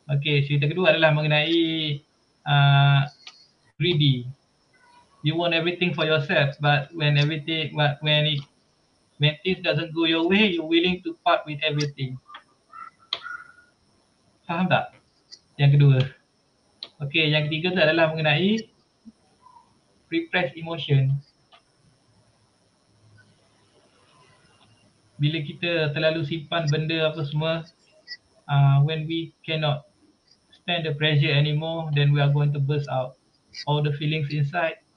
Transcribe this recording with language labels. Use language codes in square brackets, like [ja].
[ms] Okay, cerita kedua adalah mengenai greedy. [en] You want everything for yourself, but when things doesn't go your way, you're willing to part with everything. [ms] Faham tak? Yang kedua. Okay, yang ketiga tu adalah mengenai repressed emotion. Bila kita terlalu simpan benda apa semua, [en] when we cannot stand the pressure anymore, then we are going to burst out all the feelings inside.